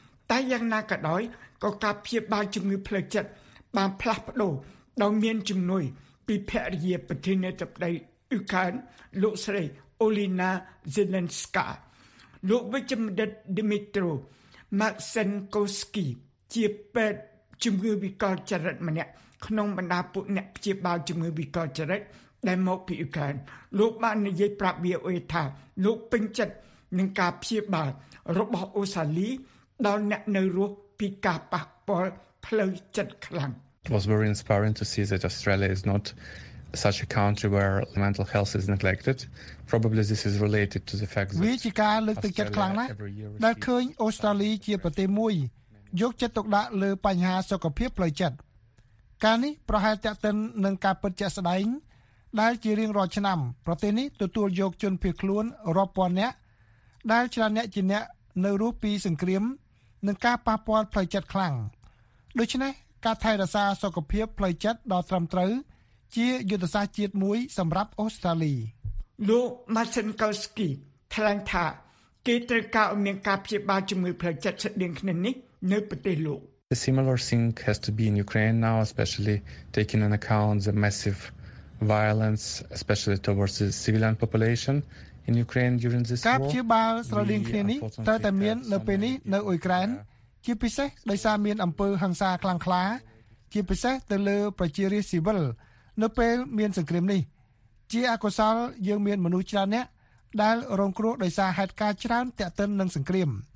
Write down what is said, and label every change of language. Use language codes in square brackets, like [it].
[km] តែយ៉ាងណាក៏ដោយក៏ការព្យាបាលជំងឺផ្លូវចិត្តបានផ្លាស់ប្ដូរដោយមានជំនួយពីភរិយាប្រធានាធិបតីអ៊ុយក្រែនលោកស្រីអូលីណាហ្សេឡិនស្កាលោកវិជ្ជបណ្ឌិតឌីមីត្រូម៉ាក់សិនកូស្គីជាពេទ្យជំងឺវិកលចរិតម្នាក់ក្នុងបណ្ដាពួកអ្នកព្យាបាលជំងឺវិកលចរិត ដែលមកពីអ៊ុក្រែនលោកបាននិយាយប្រាប់ VOA ថាលោកពេញចិត្តនឹងការព្យាបាលរបស់អូសាលីដល់អ្នកនៅរស់ពីការប៉ះពាល់ផ្លូវចិត្តខ្លាំង [en] It was very inspiring to see that Australia is notsuch a country where mental health is neglected probably this is related to the fact that [km] វាជាការលើកទឹកចិត្តខ្លាំងណាស់ដែលឃើញអូស្ត្រាលីជាប្រទេសមួយយកចិត្តទុកដាក់លើបញ្ហាសុខភាពផ្លូវចិត្តការនេះប្រហែលតាក់ទិននឹងការពិតជាក់ស្ដែងដែលជារៀងរាល់ឆ្នាំប្រទេសនេះទទួលយកជនភៀសខ្លួនរាប់ពាន់នាក់ដែលច្រើនអ្នកជាអ្នកនៅរស់ពីសង្គ្រាមនិងការប៉ះពាល់ផ្លូវចិត្តខ្លាំងដូច្នេះការថែរក្សាសុខភាពផ្លូវចិត្តដល់ត្រឹមត្រូវជាយុទ្ធសាស្ត្រជាតិមួយសម្រាប់អូស្ត្រាលី លោក Masinkowski ថ្លែងថាគេត្រូវការឲ្យមានការព្យាបាលជំងឺផ្លូវចិត្តស្ដៀងគ្នានេះនៅប្រទេសលោក [en] The similar thing has to be in Ukraine now especially taking into account the massive violence especially towards the civilian population in Ukraine during this war [km] ការព្យាបាលស្រដៀងគ្នានេះត្រូវតែមាននៅពេលនេះនៅអ៊ុយក្រែនជាពិសេសដោយសារមានអំពើហិង្សាខ្លាំងក្លាជាពិសេសទៅលើប្រជារាស្ត្រស៊ីវិលនៅពេលមានសង្គ្រាមនេះជាអកុសលយើងមានមនុស្សច្រើនអ្នកដែលរងគ្រោះដោយសារហេតុការណ៍ច្រើនតាក់ទិននឹងសង្គ្រាម